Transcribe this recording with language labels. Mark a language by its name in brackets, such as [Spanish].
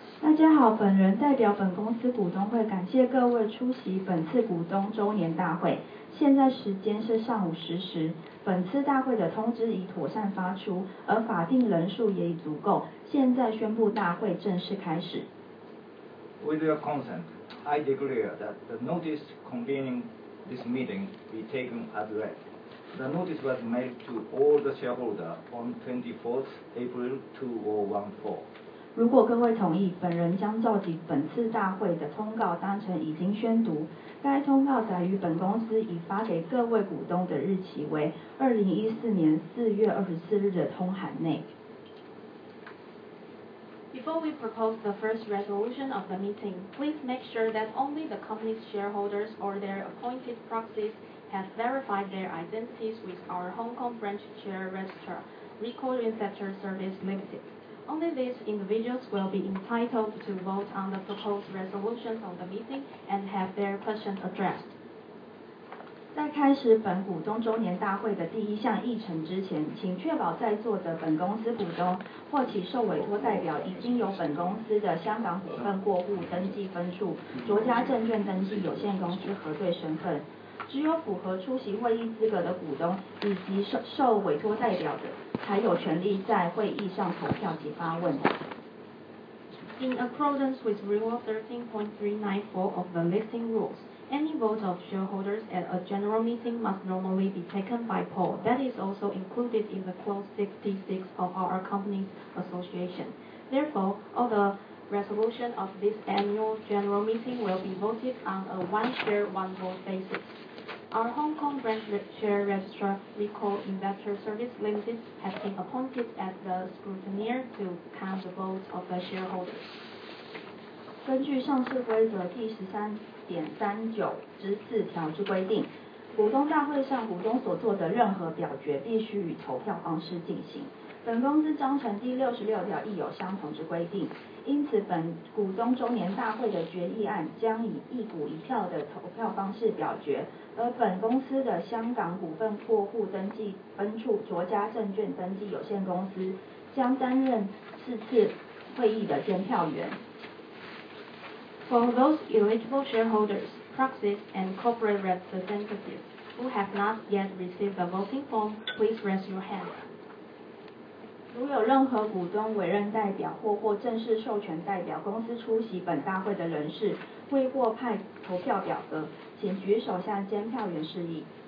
[Chinese] 大家好，本人代表本公司股东会感谢各位出席本次股东周年大会。现在时间是上午十时，本次大会的通知已妥善发出，而法定人数也已足够。现在宣布大会正式开始。 [English] With your consent, I declare that the notice convening this meeting be taken as read. The notice was mailed to all the shareholders on 24th April 2014. [Chinese] 如果各位同意，本人将召集本次大会的通告当成已经宣读。该通告载于本公司已发给各位股东的日期为2014年4月24日的通函内。 [English] Before we propose the first resolution of the meeting, please make sure that only the company's shareholders or their appointed proxies have verified their identities with our Hong Kong branch share register, Record Inspector Service Limited. Only these individuals will be entitled to vote on the proposed resolutions of the meeting and have their questions addressed. [Chinese] 在开始本股东周年大会的第一项议程之前，请确保在座的本公司股东或其受委托代表已经由本公司的香港股份过户登记分处卓家证券登记有限公司核对身份。只有符合出席会议资格的股东以及 受委托代表的才有权利在会议上投票及发问。 [English] In accordance with Rule 13.394 of the Listing Rules, any vote of shareholders at a general meeting must normally be taken by poll. That is also included in the Clause 66 of our company's association. Therefore, all the resolution of this annual general meeting will be voted on a one-share, one-vote basis. Our Hong Kong branch share registrar, Record Inspector Service Limited, has been appointed as the scrutineer to count the votes of the shareholders. [Chinese] 根据上市规则第13.39-4条之规定，股东大会上股东所做的任何表决必须以投票方式进行。本公司章程第66条亦有相同之规定，因此本股东周年大会的决议案将以一股一票的投票方式表决，而本公司的香港股份过户登记分处卓家证券登记有限公司将担任此次会议的监票员。 [English] For those eligible shareholders, proxies, and corporate representatives who have not yet received the voting form, please raise your hand. [Chinese] 如有任何股东委任代表或获正式授权代表公司出席本大会的人士未获派投票表格，请举手向监票员示意。